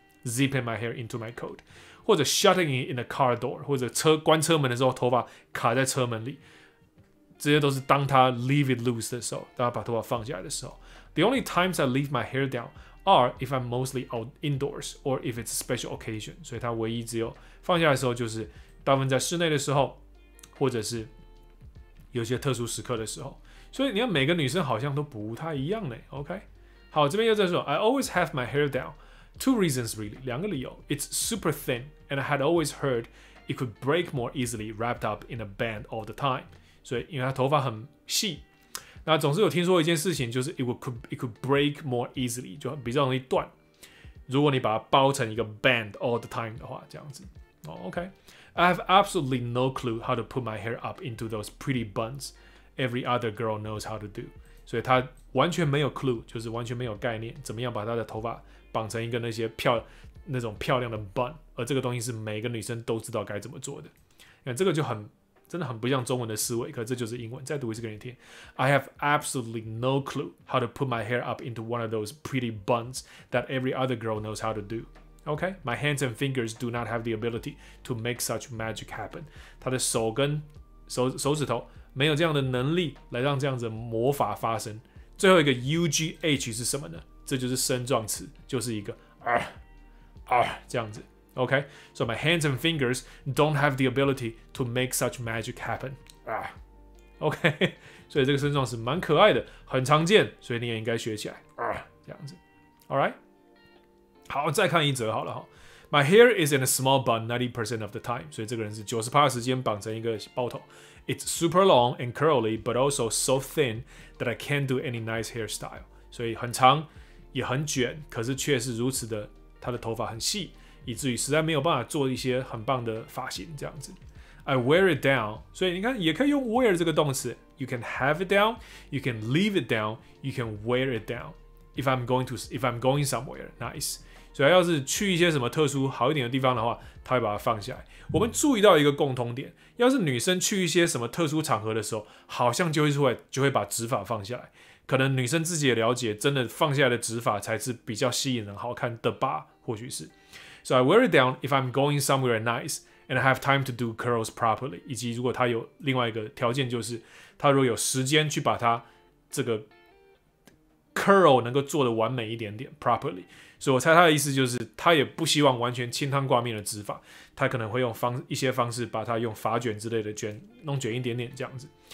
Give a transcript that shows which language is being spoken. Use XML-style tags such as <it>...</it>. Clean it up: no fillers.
<en>Zipping my hair into my coat，</en> <zh>或者</zh> <en>shutting it in the car door，</en> <zh>或者车关车门的时候，头发卡在车门里。这些都是当他</zh> <en>leave it loose</en> <zh>的时候，当他把头发放下来的时候。</zh> <en>The only times I leave my hair down are if I'm mostly out indoors or if it's a special occasion。</en> <zh>所以他唯一只有放下来的时候就是。大部分在室内的时候，或者是有些特殊时刻的时候，所以你看每个女生好像都不太一样呢。 OK， 好，这边又在说 ，</zh> <en>I always have my hair down. Two reasons really，</en> <zh>两个理由。</zh> <en>It's super thin, and I had always heard it could break more easily wrapped up in a band all the time.</en> <zh>所以因为她头发很细，那总是有听说一件事情，就是</zh> <en>it could break more easily，</en> <zh>就比较容易断。如果你把它包成一个</zh> <en>band all the time</en> <zh>的话，这样子。</zh> <en>Oh, OK。 I have absolutely no clue how to put my hair up into those pretty buns every other girl knows how to do.</en> <zh>所以他完全没有</zh> <en>clue，</en> <zh>就是完全没有概念，怎么样把他的头发绑成一个那种漂亮的 bun， 而这个东西是每个女生都知道该怎么做的。那这个就很真的很不像中文的思维，可这就是英文。再读一次给你听。</zh> <en>I have absolutely no clue how to put my hair up into one of those pretty buns that every other girl knows how to do. Okay, my hands and fingers do not have the ability to make such magic happen.</en> <zh>他的手跟 手指头没有这样的能力来让这样子魔法发生。最后一个 UGH 是什么呢？这就是声状词，就是一个这样子。</zh> <en>Okay, so my hands and fingers don't have the ability to make such magic happen.</en> <zh>Okay, 所以这个声状词蛮可爱的，很常见，所以你也应该学起来这样子。 All right. 好，再看一则好了。</zh> <en>My hair is in a small bun 90% of the time，</en> <zh>所以这个人是 90% 的时间绑成一个包头。</zh> <en>It's super long and curly but also so thin that I can't do any nice hairstyle，</en> <zh>所以很长也很卷，可是却是如此的，他的头发很细，以至于实在没有办法做一些很棒的发型这样子。 I</zh> <en>wear</en> <zh>it down， 所以你看也可以用 wear 这个动词。</zh> <en>You can have it down， you can leave it down， you can wear it down。 If I'm going somewhere, nice.</en> <zh>所以要是去一些什么特殊好一点的地方的话，他会把它放下来。我们注意到一个共通点，要是女生去一些什么特殊场合的时候，好像就会把直发放下来。可能女生自己也了解，真的放下来的直发才是比较吸引人好看的吧，或许是。</zh> <en>So I wear it down if I'm going somewhere nice and I have time to do curls properly.</en> <zh>以及如果他有另外一个条件，就是他如果有时间去把他这个</zh> <en>curl</en> <zh>能够做的完美一点点</zh> <en>properly，</en> <zh>所以我猜他的意思就是他也不希望完全清汤挂面的直发，他可能会用一些方式把它用发卷之类的卷弄卷一点点这样子。</zh>